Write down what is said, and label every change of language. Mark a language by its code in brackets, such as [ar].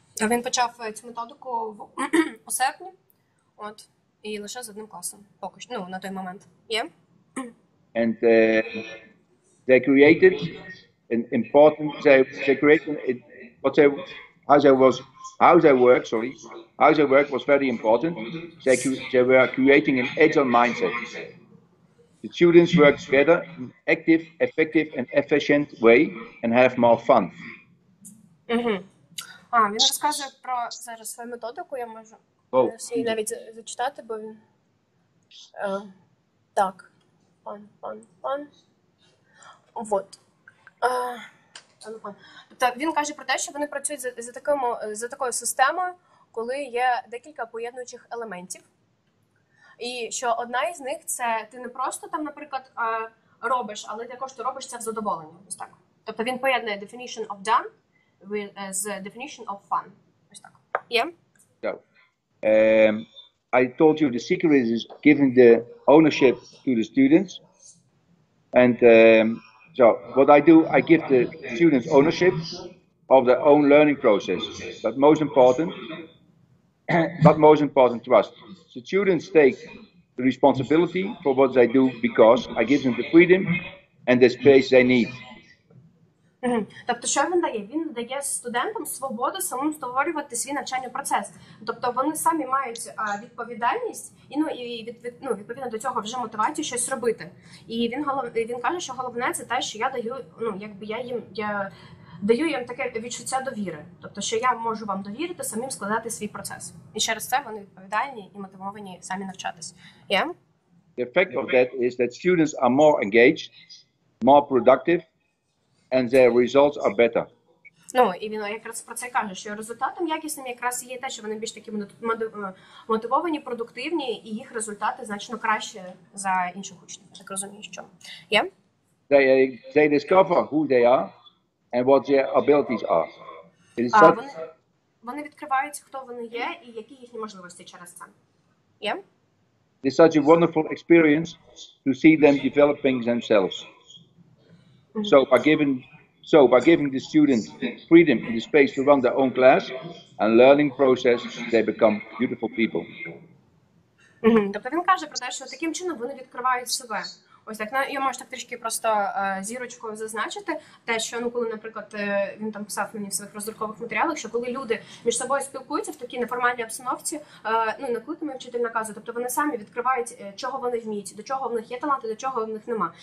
[uk] Він почав цю методику у серпні, от, і лише з одним класом, поки що, ну, на той момент. [en] Yeah. And they created an important, they created, it, what they, how they was, how they work, sorry, how they work was very important. They were creating an agile mindset. The students work together in active, effective and efficient way and have more fun. Mm-hmm. [uk] А, він розказує про зараз свою методику, я можу всі навіть зачитати, бо він... так, пан. Вот. Тобто він каже про те, що вони працюють за такою системою, коли є декілька поєднуючих елементів. І що одна із них — це ти не просто там, наприклад, робиш, але також ти робиш це в задоволенні. Ось так. Тобто він поєднує [en] definition of done with the definition of fun. Yeah? So, I told you the secret is giving the ownership to the students. And so what I do, I give the students ownership of their own learning process. But most important, trust. The students take the responsibility for what they do because I give them the freedom and the space they need. [uk] Тобто, що він дає? Він дає студентам свободу самим створювати свій навчальний процес. Тобто, вони самі мають відповідальність і, ну, і відповідно до цього вже мотивацію щось робити. І він каже, що головне — це те, що я даю, ну, якби я даю їм таке відчуття довіри. Тобто, що я можу вам довірити самим складати свій процес. І через це вони відповідальні і мотивовані самі навчатись. [en] Yeah? The effect of that is that students are more engaged, more productive, and their results are better. [uk] Ну, і він якраз про це каже, що результатом якісним якраз є те, що вони більш такі мотивовані, продуктивні, і їх результати значно краще за інших учнів. Так розумієш, що? [en] Yeah? They discover who they are and what their abilities are. [uk] Вони відкривають, хто вони є і які їхні можливості через це. [en] Yeah? It's such a wonderful experience to see them developing themselves. So by giving the students freedom and the space to run their own class and learning process, they become beautiful people. [uk] Тобто він каже про те, що таким чином вони відкривають себе. Ось так, я можу так трішки просто зірочкою зазначити те, що, ну, коли, наприклад, він там писав мені в своїх роздрукових матеріалах, що коли люди між собою спілкуються в такій неформальній обстановці, ну, не коли мій вчитель наказує, тобто вони самі відкривають, чого вони вміють, до чого в них є таланти, до чого в них нема.